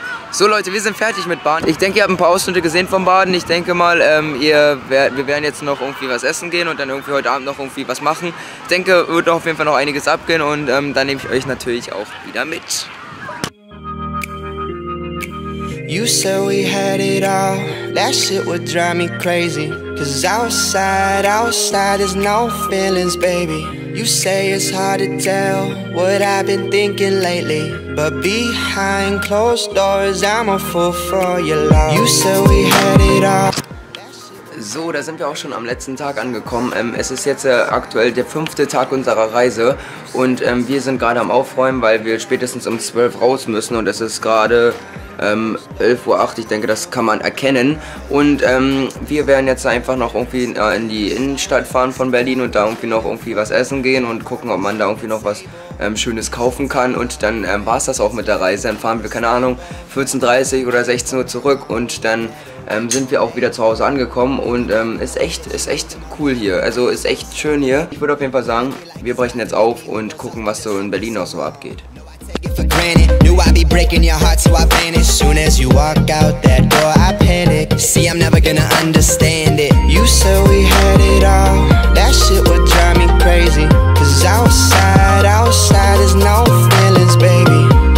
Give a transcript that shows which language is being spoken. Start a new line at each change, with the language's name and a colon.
German: So Leute, wir sind fertig mit Baden. Ich denke, ihr habt ein paar Ausschnitte gesehen vom Baden. Ich denke mal, wir werden jetzt noch irgendwie was essen gehen und dann irgendwie heute Abend noch irgendwie was machen. Ich denke, wird auf jeden Fall noch einiges abgehen und dann nehme ich euch natürlich auch wieder mit.
English: You said we had it all, that shit would drive me crazy. Cause outside, outside, there's no feelings, baby. You say it's hard to tell what I've been thinking lately. But behind closed doors, I'm a fool for your love. You said we had it all.
German: So, da sind wir auch schon am letzten Tag angekommen. Es ist jetzt aktuell der 5. Tag unserer Reise und wir sind gerade am Aufräumen, weil wir spätestens um 12 raus müssen und es ist gerade 11.08 Uhr, ich denke, das kann man erkennen. Und wir werden jetzt einfach noch irgendwie in die Innenstadt fahren von Berlin und da irgendwie noch irgendwie was essen gehen und gucken, ob man da irgendwie noch was Schönes kaufen kann. Und dann war es das auch mit der Reise. Dann fahren wir, keine Ahnung, 14.30 Uhr oder 16 Uhr zurück und dann sind wir auch wieder zu Hause angekommen und ist echt cool hier. Also ist echt schön hier. Ich würde auf jeden Fall sagen, wir brechen jetzt auf und gucken, was so in Berlin noch so abgeht.
English: Knew I'd be breaking your heart, so I vanish. Soon as you walk out that door, I panic. See, I'm never gonna understand it. You said we had it all, that shit would drive me crazy. Cause outside, outside, there's no feelings, baby.